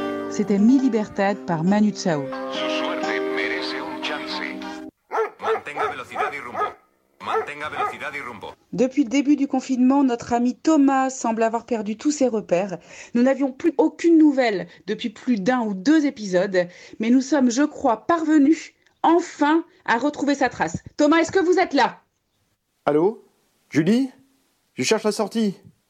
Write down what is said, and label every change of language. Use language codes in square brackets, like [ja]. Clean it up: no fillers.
[fr] C'était Mi Libertad par Manu Chao. [es] Su suerte merece un chance. Mantenga velocidad y rumbo. Mantenga velocidad y rumbo. [fr] Depuis le début du confinement, notre ami Thomas semble avoir perdu tous ses repères. Nous n'avions plus aucune nouvelle depuis plus d'un ou deux épisodes, mais nous sommes, je crois, parvenus enfin à retrouver sa trace. Thomas, est-ce que vous êtes là ? Allô ? Julie ? Je cherche la sortie.